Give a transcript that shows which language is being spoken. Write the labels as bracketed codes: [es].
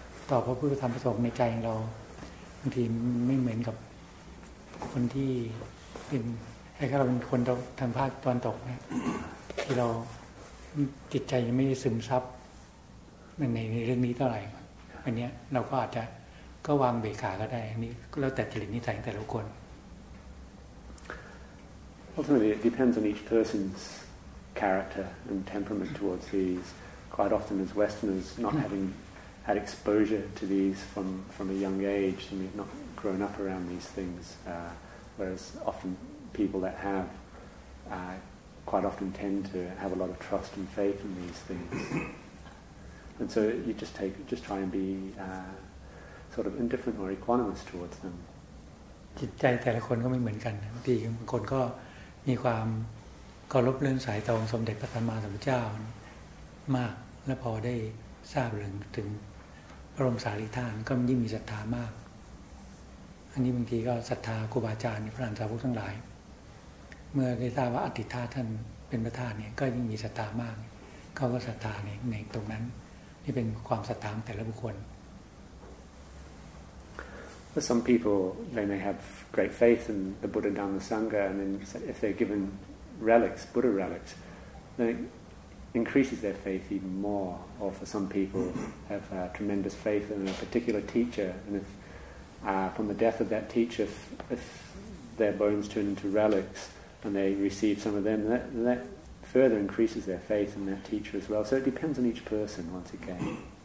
[th] ต่อพระพุทธธรรมประสงค์ในใจเราบางทีไม่เหมือนกับคนที่ให้ก็เราเป็นคนทางภาคตะวันตกนะที่เราจิตใจยังไม่ได้ซึมซับในเรื่องนี้เท่าไหร่อันนี้เราก็อาจจะก็วางเบี่ยขาก็ได้อันนี้แล้วแต่จริตนิสัยแต่ละคน [en] Ultimately it depends on each person's character and temperament towards these quite often as Westerners not having had exposure to these from a young age and not grown up around these things whereas often people that have quite often tend to have a lot of trust and faith in these things. And so you just try and be sort of indifferent or equanimous towards them. [th] จิตใจแต่ละคนก็ไม่เหมือนกันบางคนก็มีความเคารพเลื่อมใสต่อองค์สมเด็จพระสัมมาสัมพุทธเจ้ามากและพอได้ทราบเรื่องถึงพระบรมสารีริกธาตุก็ยิ่งมีศรัทธามากอันนี้บางทีก็ศรัทธาครูบาอาจารย์พระอาจารย์พวกทั้งหลายเมื่อได้ทราบว่าอัตถิธาท่านเป็นประธานเนี่ยก็ยิ่งมีศรัทธามากเขาก็ศรัทธาในตรงนั้นนี่เป็นความศรัทธาแต่ละบุคคล [en] But some people they may have great faith in the Buddha Dhamma Sangha and then if they're given relics Buddha relics then it increases their faith even more or for some people have tremendous faith in a particular teacher and ifFrom the death of that teacher, if their bones turn into relics and they receive some of them, that further increases their faith in that teacher as well. So it depends on each person once again.